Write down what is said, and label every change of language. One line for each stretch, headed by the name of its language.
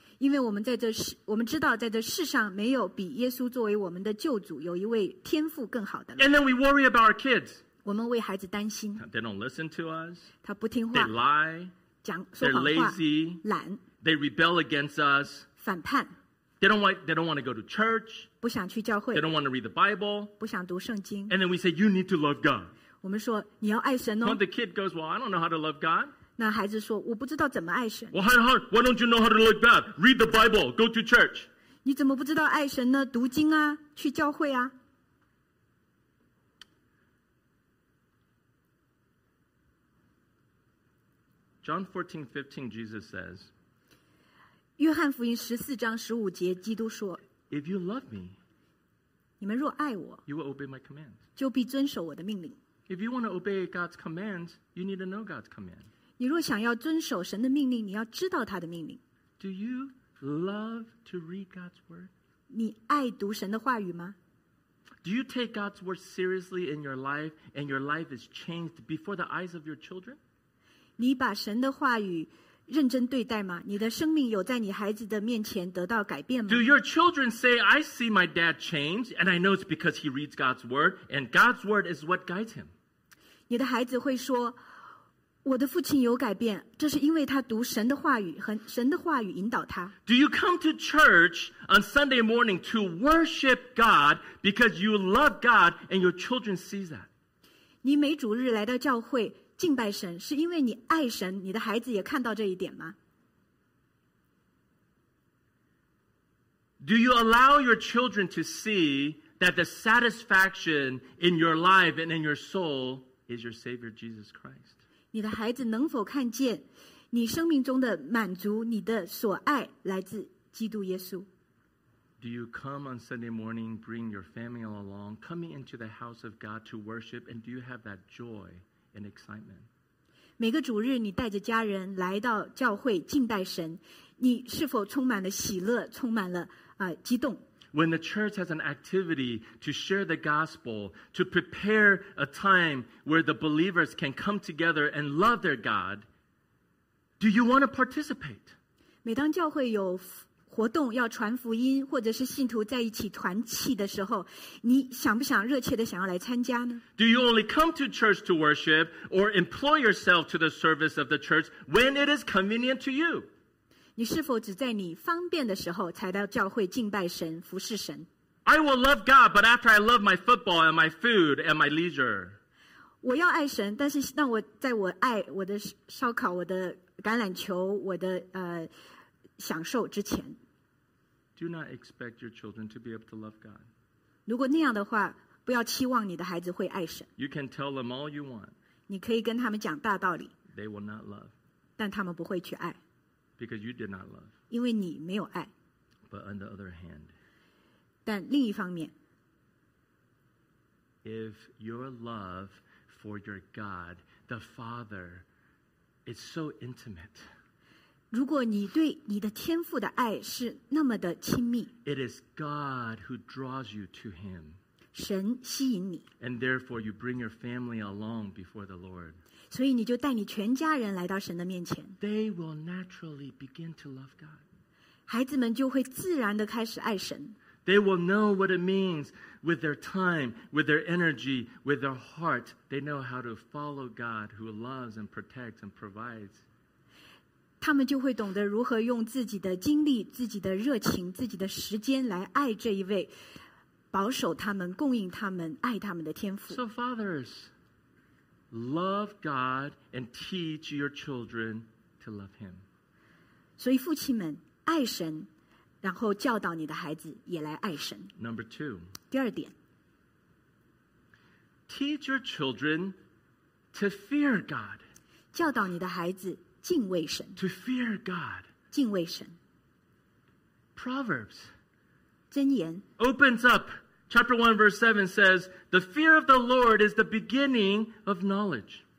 Chinese: 因为我们知道在这世上没有比耶稣作为我们的救主有一位天父更好的。
English: And then we worry about our kids.
Chinese: 我们为孩子担心。
English: They don't listen to us.
Chinese: 他不听话。
English: They lie.
Chinese: 讲说谎话。
English: They're lazy.
Chinese: 懒。
English: They rebel against us.
Chinese: 反叛。
English: They don't want to go to church.
Chinese: 不想去教会。
English: They don't want to read the Bible.
Chinese: 不想读圣经。
English: And then we say, you need to love God.
Chinese: 我们说你要爱神哦。
English: Well, the kid goes, well, I don't know how to love God.
Chinese: 那孩子说我不知道怎么爱神。
English: Well, how, why don't you know how to love God? Read the Bible, go to church.
Chinese: 你怎么不知道爱神呢？读经啊，去教会啊。
English: John 14:15, Jesus says,
Chinese: 约翰福音十四章十五节，基督说，
English: If you love me,
Chinese: 你们若爱我，
English: you will obey my commands.
Chinese: 就必遵守我的命令。
English: If you want to obey God's commands, you need to know God's commands.
Chinese: 你若想要遵守神的命令，你要知道他的命令。
English: Do you love to read God's word?
Chinese: 你爱读神的话语吗？
English: Do you take God's word seriously in your life, and your life is changed before the eyes of your children?
Chinese: 你把神的话语认真对待吗？你的生命有在你孩子的面前得到改变吗？
English: Do your children say, I see my dad change, and I know it's because he reads God's word, and God's word is what guides him?
Chinese: 你的孩子会说我的父亲有改变，这是因为他读神的话语，和神的话语引导他。
English: Do you come to church on Sunday morning to worship God because you love God and your children see that?
Chinese: 你每主日来到教会敬拜神，是因为你爱神，你的孩子也看到这一点吗？
English: Do you allow your children to see that the satisfaction in your life and in your soul is your Savior Jesus Christ?
Chinese: 你的孩子能否看见你生命中的满足，你的所爱来自基督耶稣？
English: Do you come on Sunday morning, bring your family along, coming into the house of God to worship, and do you have that joy and excitement?
Chinese: 每个主日你带着家人来到教会敬拜神，你是否充满了喜乐，充满了激动？
English: When the church has an activity to share the gospel, to prepare a time where the believers can come together and love their God, do you want to participate?
Chinese: 每当教会有活动要传福音，或者是信徒在一起团契的时候，你想不想热切的想要来参加呢？
English: Do you only come to church to worship or employ yourself to the service of the church when it is convenient to you?
Chinese: 你是否只在你方便的时候才到教会敬拜神、服侍神？
English: I will love God, but after I love my football and my food and my leisure.
Chinese: 我要爱神，但是当我在我爱我的烧烤、我的橄榄球、我的享受之前。
English: Do not expect your children to be able to love God.
Chinese: 如果那样的话，不要期望你的孩子会爱神。
English: You can tell them all you want.
Chinese: 你可以跟他们讲大道理。
English: They will not love.
Chinese: 但他们不会去爱。
English: Because you did not love.
Chinese: 因为你没有爱。
English: But on the other hand,
Chinese: 但另一方面，
English: If your love for your God, the Father, is so intimate,
Chinese: 如果你对你的天父的爱是那么的亲密，
English: It is God who draws you to Him.
Chinese: 神吸引你。
English: And therefore you bring your family along before the Lord.
Chinese: 所以你就带你全家人来到神的面前。
English: They will naturally begin to love God.
Chinese: 孩子们就会自然地开始爱神。
English: They will know what it means with their time, with their energy, with their heart. They know how to follow God who loves and protects and provides.
Chinese: 他们就会懂得如何用自己的精力、自己的热情、自己的时间来爱这一位保守他们、供应他们、爱他们的天父。
English: So fathers, love God and teach your children to love Him.
Chinese: 所以父亲们爱神，然后教导你的孩子也来爱神。
English: Number two.
Chinese: 第二点。
English: Teach your children to fear God.
Chinese: 教导你的孩子。敬畏神。
English: To fear God.
Chinese: 敬畏神。
English: Proverbs.
Chinese: 箴言。
English: Opens up. Chapter 1 verse 7 says, The fear of the Lord is the beginning of knowledge.